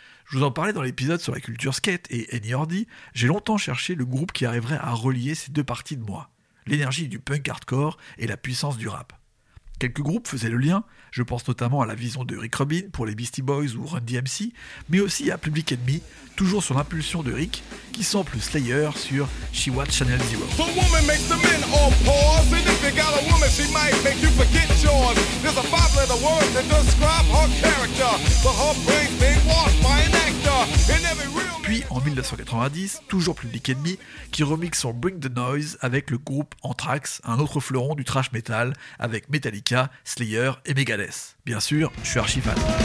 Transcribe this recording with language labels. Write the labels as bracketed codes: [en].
[fr] Je vous en parlais dans l'épisode sur la culture skate et N.E.R.D., j'ai longtemps cherché le groupe qui arriverait à relier ces deux parties de moi, l'énergie du punk hardcore et la puissance du rap. Quelques groupes faisaient le lien, je pense notamment à la vision de Rick Rubin pour les Beastie Boys ou Run DMC, mais aussi à Public Enemy, toujours sur l'impulsion de Rick, qui sample Slayer sur She Watch Channel Zero. [en] The woman makes the men all pause, and if you got a woman, she might make you forget yours. There's a five-letter word that describes her character, but her brain being washed by an actor. [fr] Puis en 1990, toujours Public Enemy, qui remixe son Bring the Noise avec le groupe Anthrax, un autre fleuron du thrash metal, avec Metallica, Slayer et Megadeth. Bien sûr, je suis archi fan.